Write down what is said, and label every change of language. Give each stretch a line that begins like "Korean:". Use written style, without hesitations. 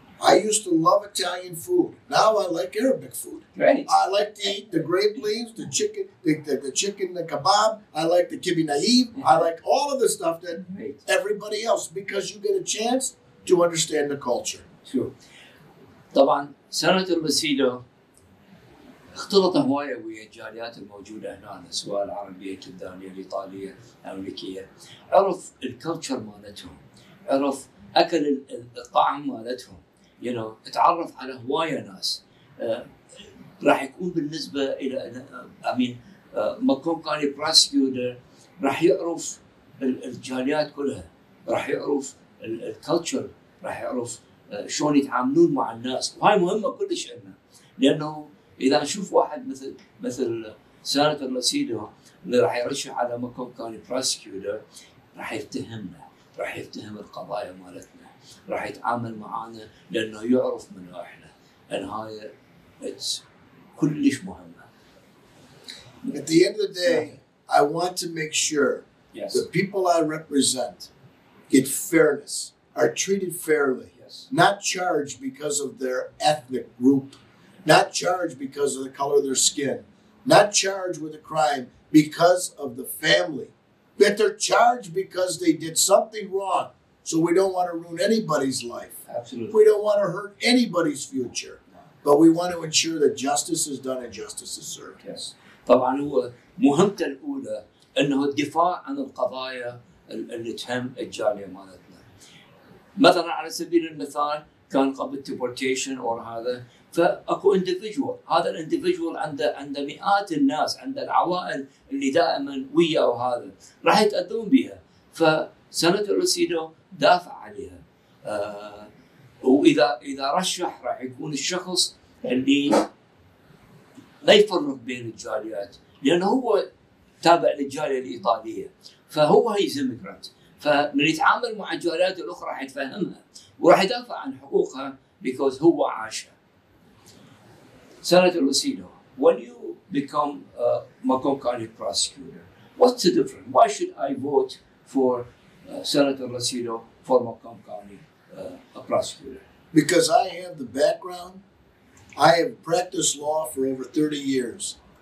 English: I used to love Italian food. Now I like Arabic food. Right. I like to eat the grape leaves, the chicken, the kebab. I like the kibbeh naeem. Yeah. I like all of the stuff that everybody else, because you get a chance to understand the culture. True.
Arabic: طبعا Senator Lucido اختلط هواية ويا الجاليات الموجودة هنا سواء العربية اللبنانية الإيطالية الأمريكية عرف الكلتشر مالتهم عرف أكل الطعم مالتهم
English: you know
Arabic: اتعرف على هواية ناس راح يكون بالنسبة إلى مكون كاني براسكيودر راح يعرف الجاليات كلها راح يعرف الكلتشر راح يعرف شلون يتعاملون مع الناس وهاي مهمة كلش عندنا لأنه إذا نشوف واحد مثل سيناتور لوسيدو اللي راح يرشح على مكون كاني براسكيودر راح يفتهمنا راح يفتهم القضايا مالتنا راح يتعامل معانا لأنه يعرف من احنا النهاية كلش مهمة.
English: At the end of the day, I want to make sure yes. the people I represent get fairness, are treated fairly, yes. not charged because of their ethnic group, not charged because of the color of their skin, not charged with a crime because of the family, but they're charged because they did something wrong. So we don't want to ruin anybody's life. Absolutely. We don't want to hurt anybody's future, but we want to ensure that justice is done and justice is served. Yes.
Arabic: طبعا هو مهمته الاولى انه الدفاع عن القضايا اللي تهم الجاليه مالتنا. مثلا على سبيل المثال كان قبل ديبورتيشن او هذا فاكو انديفيدوال، هذا الانديفيدوال عنده مئات الناس، عنده العوائل اللي دائما وياه وهذا راح يتاذون بها. فسناتور لوسيدو دافع عليها. واذا رشح راح يكون الشخص اللي لا يفرق بين الجاليات لأنه هو تابع للجالية الإيطالية فهو هيز إيميجرانت فمن يتعامل مع الجاليات الأخرى راح يتفهمها وراح يدافع عن حقوقها
English: because
Arabic: هو عاشها.
English: Senator Lucido, when you become a Macomb County prosecutor, what's the difference? Why should I vote for Senator Lucido for Macomb County a prosecutor? Because I have the background. I have practiced law for over 30 years.